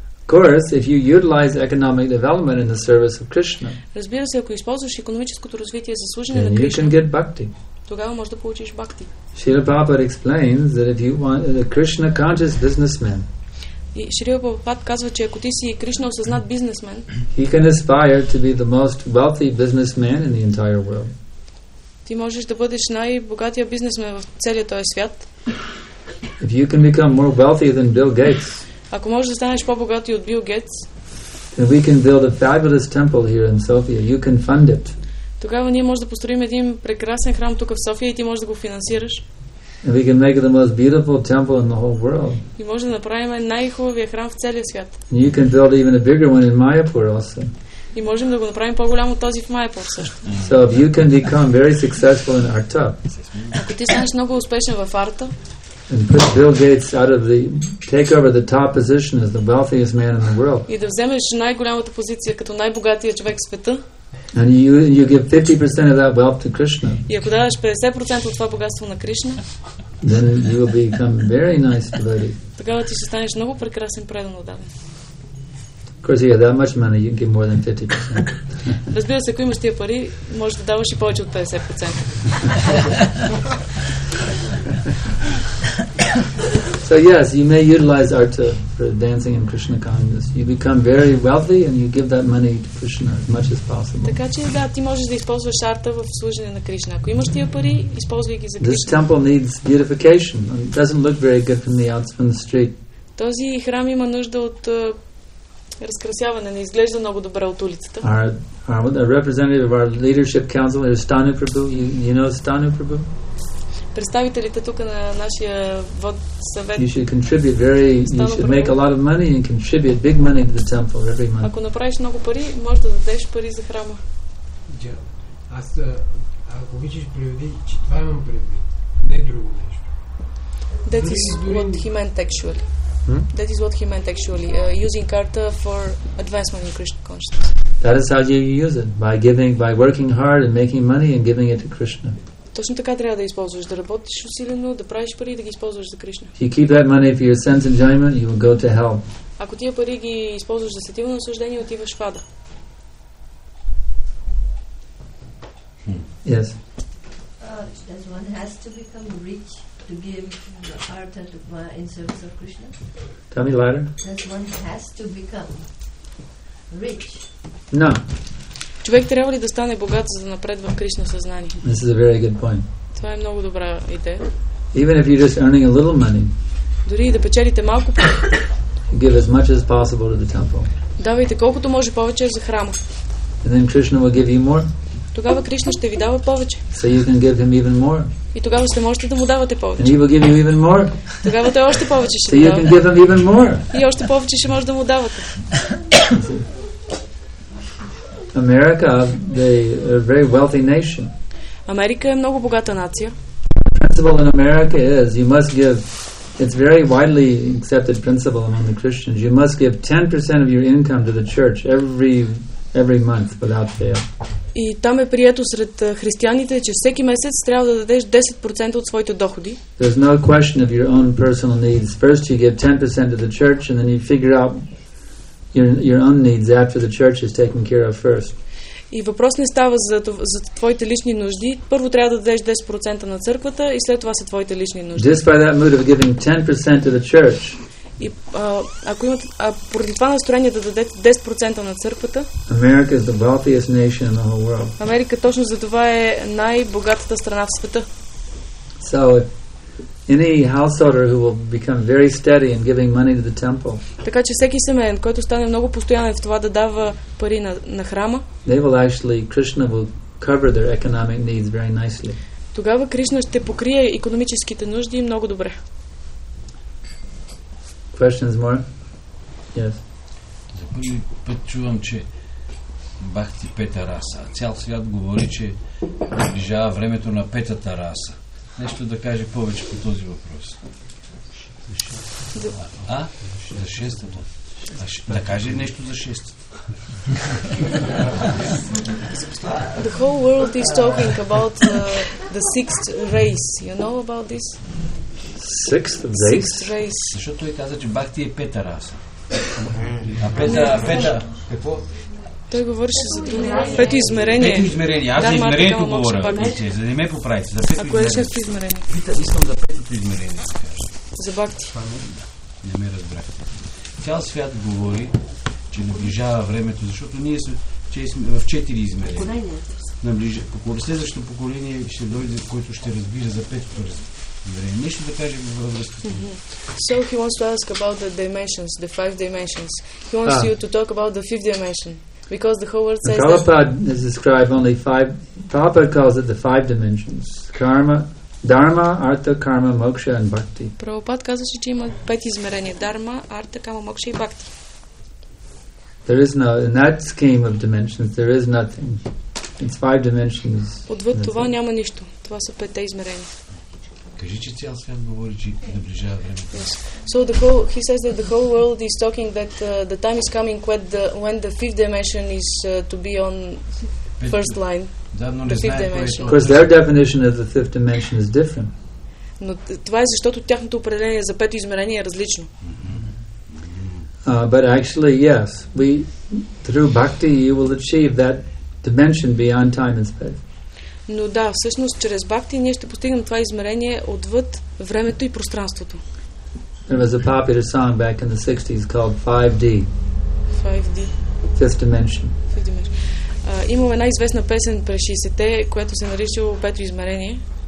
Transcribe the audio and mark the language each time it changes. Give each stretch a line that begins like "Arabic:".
English: Of course, if you utilize economic development in the service of Krishna.
Bulgarian: Разбира се, ако използваш икономическото развитие за служене на Кришна.
English: You can get bhakti.
Bulgarian: Тогава можеш да получиш бхакти.
English: Srila Prabhupada explains that if you want a Krishna conscious businessman.
Bulgarian: И Шрила Прабхупад казва, че ако ти си Кришна осъзнат бизнесмен,
English: he can aspire to be the most wealthy businessman in the entire world.
Bulgarian: Ти можеш да бъдеш най-богатия бизнесмен в целия този свят.
English: If you can become more wealthy than Bill Gates.
Bulgarian: Ако можеш да станеш по-богат от Бил Гейтс.
English: Then we can build a fabulous temple here in Sofia. You can fund it.
Bulgarian: Тогава ние можем да построим един прекрасен храм тук в София и ти можеш да го финансираш.
English: And we can make the most beautiful temple in the whole world.
Bulgarian: И може да направим най-хубавия храм в целия свят.
English: And you can build even a bigger one in Mayapur also.
Bulgarian: И можем да го направим по-голям от този в Mayapur също.
English: So if you can become very successful in Arta.
Bulgarian: Ако ти станеш много успешен в Арта.
English: And put Bill Gates out of the take over the top position as the wealthiest man in the world.
Bulgarian: И да вземеш най-голямата позиция като най-богатия човек в света.
English: And you give 50% of that wealth to Krishna.
Bulgarian: И ако даваш 50% от това богатство на Кришна,
English: then you will become very nice devotee.
Bulgarian: Тогава ти ще станеш много прекрасен предан отдаден.
English: Of course, if you have that much money, you can give more than 50%.
Bulgarian: Разбира се, ако имаш тия пари, можеш да даваш и повече от 50%.
English: So yes, you may utilize arta for dancing in Krishna consciousness. You become very wealthy and you give that money to Krishna as much as possible.
Bulgarian: Така че да, ти можеш да използваш арта в служене на Кришна. Ако имаш тия пари, използвай ги за Кришна.
English: This temple needs beautification. It doesn't look very good from the outside from the street.
Bulgarian: Този храм има нужда от разкрасяване, не изглежда много добре от улицата.
English: Our representative of our leadership council is Stanu Prabhu. You know Stanu Prabhu?
Bulgarian: Представителите тук на нашия вод съвет.
English: You should contribute very, you should make a lot of money and contribute big money to the temple every month.
Bulgarian: Ако направиш много пари, може да дадеш пари за храма. Аз, ако обичаш, приведи, че това имам предвид, не друго нещо.
English: That is what he meant actually. That is what he meant actually. Using karta for advancement in Krishna consciousness. That is how you use it. By working hard and making money and giving it to Krishna.
Bulgarian: Точно така трябва да използваш, да работиш усилено, да правиш пари и да ги използваш за Кришна.
English: If you keep that money for your sense enjoyment, you will go to hell.
Bulgarian: Ако тия пари ги използваш за сетивно наслаждение, отиваш в ада.
English: Yes. Does one has to become rich to give the artha to in service of Krishna? Tell me later. That one has to become rich. No.
Bulgarian: Човек трябва ли да стане богат, за да напредва в Кришна съзнание?
English: This is a very good point.
Bulgarian: Това е много добра идея.
English: Even if you're just earning a little money.
Bulgarian: Дори да печелите малко.
English: Give as much as possible to the temple.
Bulgarian: Давайте колкото може повече за храма.
English: And then Krishna will give you more.
Bulgarian: Тогава Кришна ще ви дава повече.
English: So you can give him even more.
Bulgarian: И тогава ще можете да му давате повече.
English: And he will give you even more.
Bulgarian: Тогава той още повече ще дава.
English: So you can give him even more.
Bulgarian: И още повече ще може да му давате.
English: America, they are a very wealthy nation.
Bulgarian: Америка е много богата нация.
English: The principle in America is you must give. It's very widely accepted principle among the Christians. You must give 10% of your income to the church every month without fail.
Bulgarian: И там е прието сред християните, че всеки месец трябва да дадеш 10% от своите доходи.
English: There's no question of your own personal needs. First you give 10% to the church and then you figure out your own needs after the church is taken care of first.
Bulgarian: И въпрос не става за твоите лични нужди. Първо трябва да дадеш 10% на църквата и след това са твоите лични нужди.
English: Just by that mood of giving 10% to the church.
Bulgarian: И ако имате поради това настроение да дадете 10% на църквата.
English: America is the wealthiest nation in the whole world.
Bulgarian: Америка точно за това е най-богатата страна в света.
English: So any householder who will become very steady in giving money to the temple.
Bulgarian: Така че всеки семеен, който стане много постоянен в това да дава пари на храма.
English: They will actually Krishna will cover their economic needs very nicely.
Bulgarian: Тогава Кришна ще покрие икономическите нужди много добре.
English: Questions more? Yes.
Bulgarian: За първи път чувам, че бахти пета раса. Цял свят говори, че приближава времето на петата раса. Нещо да каже повече по този въпрос. За шестата. Да каже нещо за шестата.
English: The whole world is talking about the sixth race. You know about this? Sixth race.
Bulgarian: Защото той каза, че бахти е пета раса. А пета. Какво? Той говореше за това. Пето измерение. Пето измерение. Аз за измерението говоря. За да не ме поправите. За пето измерение. А кое е шесто измерение? Искам за петото измерение. За бакти. Не ме разбрахте. Цял свят говори, че наближава времето, защото ние сме в четири измерения. Поколение. Следващото поколение ще дойде, което ще разбира за петото измерение. Нещо да кажем във връзка.
English: So he wants to ask about the dimensions, the five dimensions. He wants you to talk about the fifth dimension. Because the whole world says Prabhupada has described only five. Prabhupada calls it the five dimensions: karma, dharma, artha, karma, moksha, and bhakti.
Bulgarian: Prabhupada казваше, че има пет измерения: дарма, арта, карма, мокша и бхакти.
English: There is no in that scheme of dimensions. There is nothing. It's five dimensions.
Bulgarian: Отвъд това няма нищо. Това са петте измерения. Кажи, че цял свят говори, че наближава времето.
English: Yes. So the whole, he says that the whole world is talking that the time is coming when the fifth dimension is to be on first line.
Bulgarian: Давно не знае, dimension.
English: Because their definition of the fifth dimension is different.
Bulgarian: Но това е защото тяхното определение за пето измерение е различно.
English: But actually, yes, we through bhakti you will achieve that dimension beyond time and space.
Bulgarian: Но да, всъщност чрез бхакти ние ще постигнем това измерение отвъд времето и пространството.
English: There was a popular song back in the 60s called 5D. 5D. Fifth dimension.
Bulgarian: Имам една известна песен през 60-те, която се нарича Пето измерение.